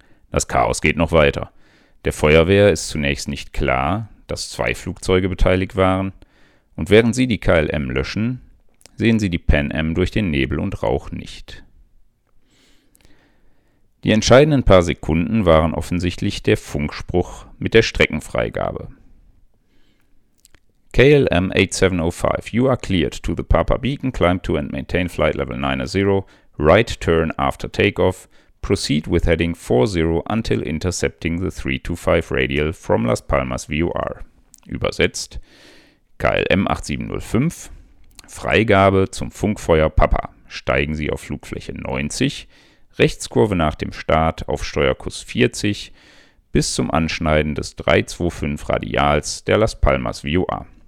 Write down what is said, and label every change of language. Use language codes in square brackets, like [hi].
[de] Das Chaos geht noch weiter. Der Feuerwehr ist zunächst nicht klar, dass zwei Flugzeuge beteiligt waren, und während sie die KLM löschen, sehen Sie die Pan Am durch den Nebel und Rauch nicht. Die entscheidenden paar Sekunden waren offensichtlich der Funkspruch mit der Streckenfreigabe. [en] KLM 8705, you are cleared to the Papa Beacon, climb to and maintain flight level 90, right turn after takeoff, proceed with heading 40 until intercepting the 325 radial from Las Palmas VOR. [de] Übersetzt: KLM 8705, Freigabe zum Funkfeuer Papa. Steigen Sie auf Flugfläche 90, Rechtskurve nach dem Start auf Steuerkurs 40 bis zum Anschneiden des 325 Radials der Las Palmas VOR.